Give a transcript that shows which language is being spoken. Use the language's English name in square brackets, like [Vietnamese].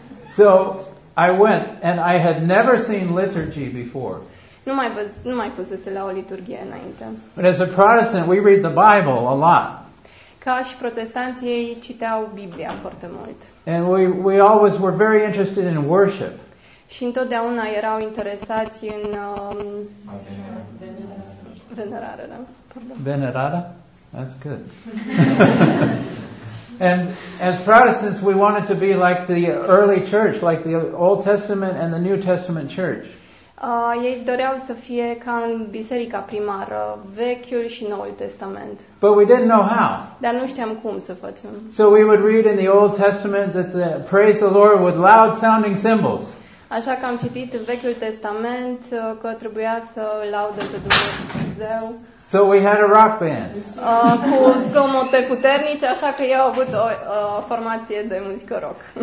[English] So I went and I had never seen liturgy before. [Romanian] Nu mai fusese la o liturghie înainte. [English] But as a Protestant, we read the Bible a lot. [Romanian] Ca și protestanții, ei citeau Biblia foarte mult. [English] And we always were very interested in worship. [Romanian] Și întotdeauna erau interesați în venerare, da? [English] Venerare? That's good. And as Protestants, we wanted to be like the early church, like the Old Testament and the New Testament church. [Romanian] Ei doreau să fie ca în biserica primară, Vechiul și Noul Testament. [English] But we didn't know how. [Romanian] Dar nu știam cum să facem. [English] So we would read in the Old Testament that the praise the Lord with loud sounding cymbals. [Romanian] Așa că am citit în Vechiul Testament că trebuia să laudă pe Dumnezeu. [English] So we had a rock band. [Romanian] Cu zgomote puternice, așa că eu am avut o formație de muzică rock.